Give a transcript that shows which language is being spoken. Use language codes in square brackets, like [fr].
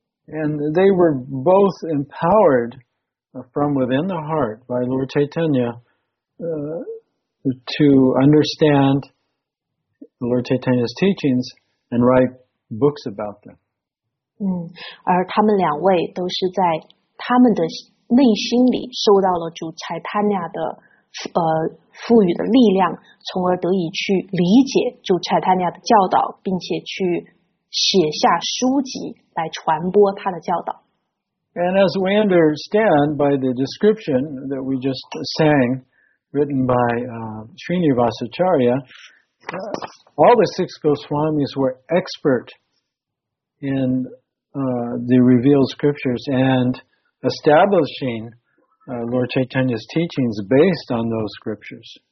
[en] And they were both empowered from within the heart by Lord Chaitanya to understand Lord Chaitanya's teachings and write books about them. [zh] 而他们两位都是在他们的内心里受到了主裁判亚的赋予的力量，从而得以去理解主裁判亚的教导，并且去写下书籍来传播他的教导。 [en] And as we understand by the description that we just sang, written by Srinivasacharya, all the six Goswamis were expert in the revealed scriptures and establishing Lord Chaitanya's teachings based on those scriptures.